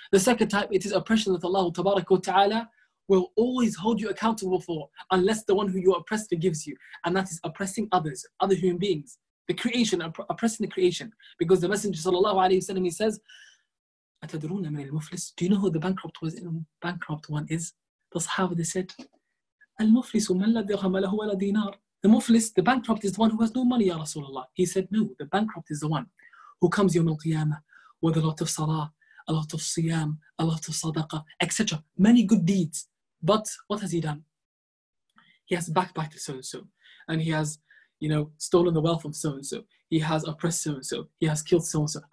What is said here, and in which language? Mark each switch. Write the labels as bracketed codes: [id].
[en] The second type, it is oppression that Allah Tabaraka wa Ta'ala will always hold you accountable for unless the one who you oppress forgives you. And that is oppressing others, other human beings. The creation, oppressing the creation. Because the Messenger Sallallahu Alaihi Wasallam, he says, [ar] أَتَدْرُونَ مَنِ الْمُفْلِسِ, [en] do you know who the bankrupt was? Bankrupt one is? The Sahaba, they said, [ar] الْمُفْلِسُ مَنْ لَا دِرْهَمَ لَهُ وَلَا دِينَارِ. [en] The muflis, the bankrupt is the one who has no money, Ya Rasulullah. He said, no, the bankrupt is the one who comes Yawm al-Qiyamah with a lot of salah, a lot of siyam, a lot of sadaqah, etc. Many good deeds. But what has he done? He has backbited so-and-so. And he has, you know, stolen the wealth of so-and-so. He has oppressed so-and-so. He has killed so-and-so.